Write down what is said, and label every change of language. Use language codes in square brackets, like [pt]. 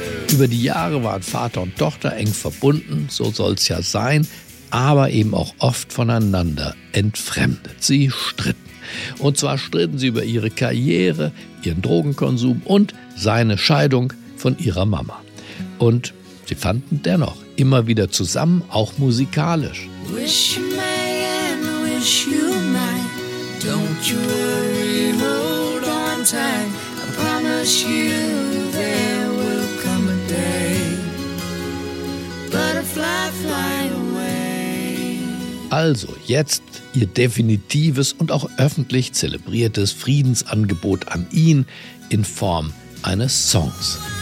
[de] Über die Jahre waren Vater und Tochter eng verbunden, so soll's ja sein, aber eben auch oft voneinander entfremdet. Sie stritten. Und zwar stritten sie über ihre Karriere, ihren Drogenkonsum und seine Scheidung von ihrer Mama. Und sie fanden dennoch immer wieder zusammen, auch musikalisch. [en] Wish you may and wish you might. Don't you worry, hold on tight. I promise you there will come a day. Butterfly, fly. [de] Also jetzt ihr definitives und auch öffentlich zelebriertes Friedensangebot an ihn in Form eines Songs.